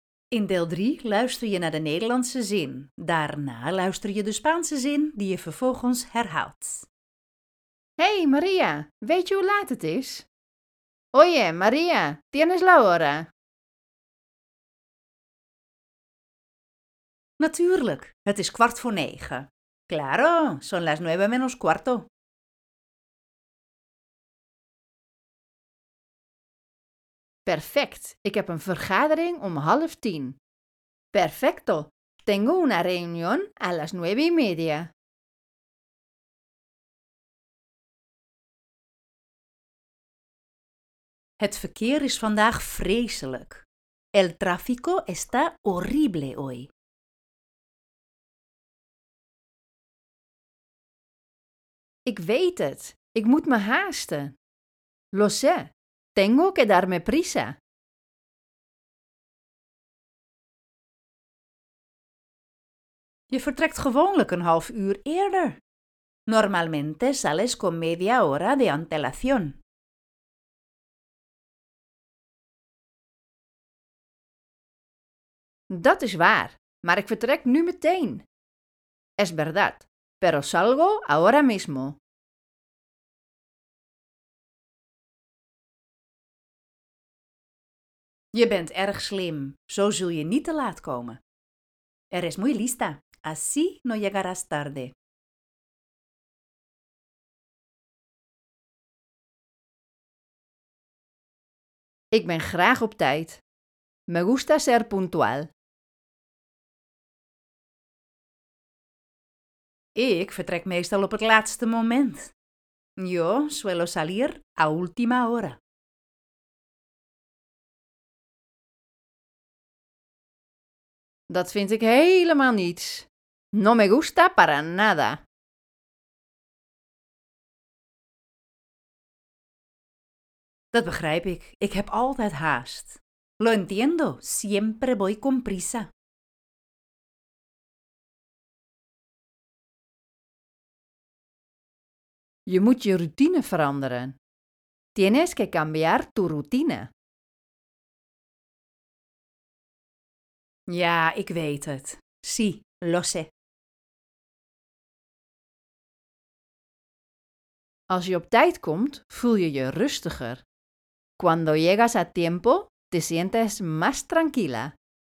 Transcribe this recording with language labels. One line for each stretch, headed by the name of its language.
Dutch: In deel 3 luister je naar de Nederlandse zin. Daarna luister je de Spaanse zin die je vervolgens herhaalt. Hey María, weet je hoe laat het is?
Spanish: Oye María, ¿tienes la hora?
Dutch: Natuurlijk, het is 9:15.
Spanish: Claro, son las 9:15.
Dutch: Perfect, ik heb een vergadering om 9:30.
Spanish: Perfecto, tengo una reunión a las 9:30.
Dutch: Het verkeer is vandaag vreselijk.
Spanish: El tráfico está horrible hoy.
Dutch: Ik weet het. Ik moet me haasten.
Spanish: Lo sé. Tengo que darme prisa.
Dutch: Je vertrekt gewoonlijk een half uur eerder.
Spanish: Normalmente sales con media hora de antelación.
Dutch: Dat is waar, maar ik vertrek nu meteen.
Spanish: Es verdad, pero salgo ahora mismo.
Dutch: Je bent erg slim, zo zul je niet te laat komen.
Spanish: Eres muy lista, así no llegarás tarde.
Dutch: Ik ben graag op tijd.
Spanish: Me gusta ser puntual.
Dutch: Ik vertrek meestal op het laatste moment.
Spanish: Yo suelo salir a última hora.
Dutch: Dat vind ik helemaal niets.
Spanish: No me gusta para nada.
Dutch: Dat begrijp ik. Ik heb altijd haast.
Spanish: Lo entiendo. Siempre voy con prisa.
Dutch: Je moet je routine veranderen.
Spanish: Tienes que cambiar tu routine.
Dutch: Ja, ik weet het.
Spanish: Sí, lo sé.
Dutch: Als je op tijd komt, voel je je rustiger.
Spanish: Cuando llegas a tiempo, te sientes más tranquila.